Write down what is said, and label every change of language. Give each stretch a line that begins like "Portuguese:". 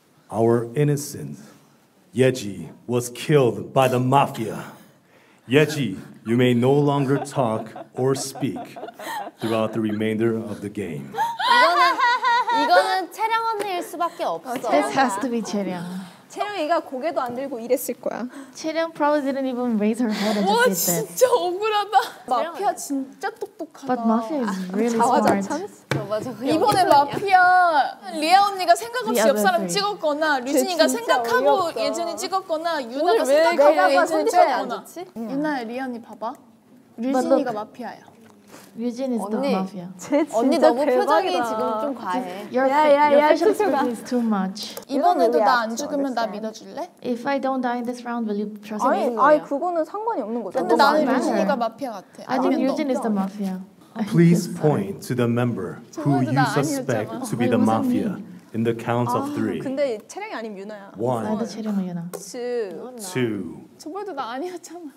English: Our innocent Yeji was killed by the mafia. Yeji, you may no longer talk or speak throughout the remainder of the game.
Korean: 이거는 채령 언니일 수밖에 없어.
English: This has to be 채령.
Korean: 채령이가 고개도 안 들고 이랬을 거야.
English: 채령 probably didn't even raise her head at this point.
Korean: 와 진짜 억울하다. 마피아 진짜 똑똑하다.
English: But mafia is really smart.
Korean: 이번에 마피아 리아 언니가 생각 없이 옆 사람 찍었거나 류진이가 생각하고 예진이 찍었거나 유나가 생각하고 예진이 찍었거나. 유나야 리아 언니 봐봐. 류진이가 마피아야.
English: 류진 is the mafia.
Korean: 언니 너무 표정이 지금 좀 과해.
English: Your facial is too much.
Korean: 이번에도 나 안 죽으면 나 믿어줄래?
English: If I don't die in this round, will you trust me?
Korean: 아니 그거는 상관이 없는 거죠. 근데 나는 류진이가 마피아 같아.
English: I think 류진 is the mafia. Please point to the member who you suspect to be the mafia in the count of three.
Korean: 근데 채령이 아니면 유나야.
English: One.
Korean: 나도 채령이 유나.
English: Two.
Korean: 저번에도 나 아니었잖아.